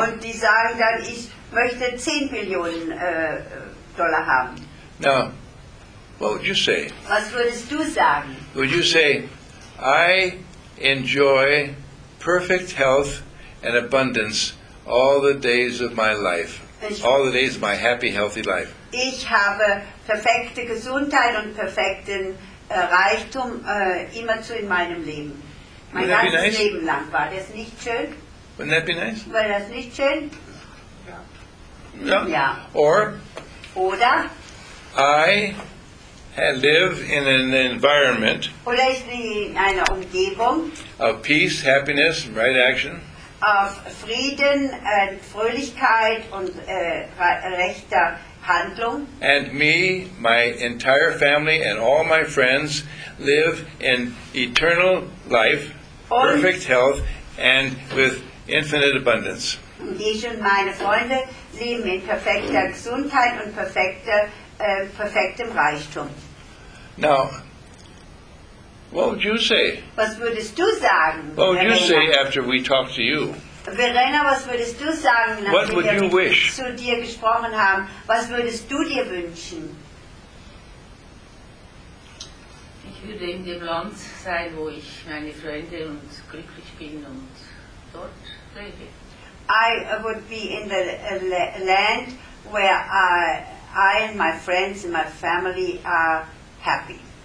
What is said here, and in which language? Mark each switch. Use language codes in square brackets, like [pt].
[de] Und die sagen dann, ich möchte 10 Billionen Dollar haben. [en] Now, what would you say? [de] Was würdest du sagen? [en] Would you say, I enjoy perfect health and abundance all the days of my life? All the days of my happy, healthy life. [de] Ich habe perfekte Gesundheit und perfekten Reichtum immerzu in meinem Leben. Mein ganzes [en] nice? [de] Leben lang. War das nicht schön? [en] Wouldn't that be nice? [de] War das nicht schön? Ja. Ja. [en] Or? [de] Oder? [en] I live in an environment. [de] Oder ich lebe in einer Umgebung. [en] Of peace, happiness, right action. [de] Auf Frieden, Fröhlichkeit und rechter Handlung. [en] And me, my entire family and all my friends live in eternal life, [de] und [en] perfect health and with infinite abundance. [de] Ich und meine Freunde leben in perfekter Gesundheit und perfektem Reichtum. [en] Now, what would you say? [de] Was würdest du sagen? [en] What would you say after we talk to you? [de] Verena, was würdest du sagen, nachdem wir zu dir gesprochen haben? Was würdest du dir wünschen? Ich würde in dem Land sein, wo ich meine Freunde und glücklich bin und dort lebe. [en] I would be in the land where I and my friends and my family are happy.